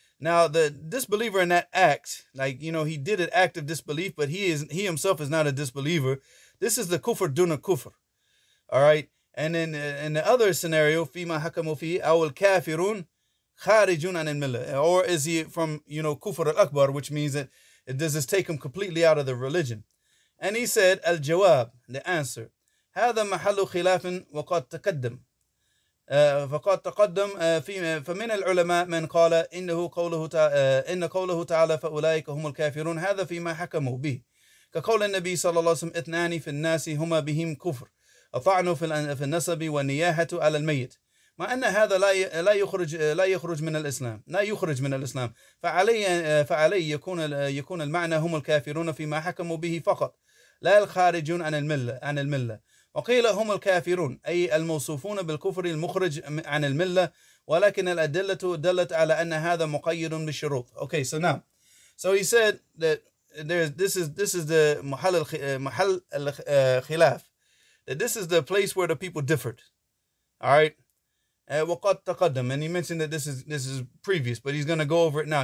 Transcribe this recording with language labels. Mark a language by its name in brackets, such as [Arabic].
[English] Now the disbeliever in that act, like, you know, he did an act of disbelief, but he himself is not a disbeliever. This is the kufr duna kufr. All right. And then in the other scenario, [Arabic] fima hakamu fi awul kafirun kharijun an al-millah, [English] or is he from, you know, kufr al-akbar, which means that does this take him completely out of the religion? And he said, [Arabic] al-jawab, [English] the answer, [Arabic] هذا محل خلاف وقد تقدم فقد تقدم فمن العلماء من قال إن قوله تعالى فأولئك هم الكافرون هذا فيما حكموا به كقول النبي صلى الله عليه وسلم اثنان في الناس هما بهم كفر أطعنوا في النسب والنياحة على الميت مع أن هذا لا يخرج من الإسلام فعلي يكون المعنى هم الكافرون فيما حكموا به فقط لا الخارجون عن الملة وقيل هم الكافرون أي الموصوفون بالكفر المخرج عن الملة ولكن الأدلة دلت على أن هذا مقيد بالشروط. [English] Okay, so he said that this is the محل الخلاف, that this is the place where the people differed. All right. [Arabic] وقد تقدم, [English] and he mentioned that this is previous, but he's going to go over it now.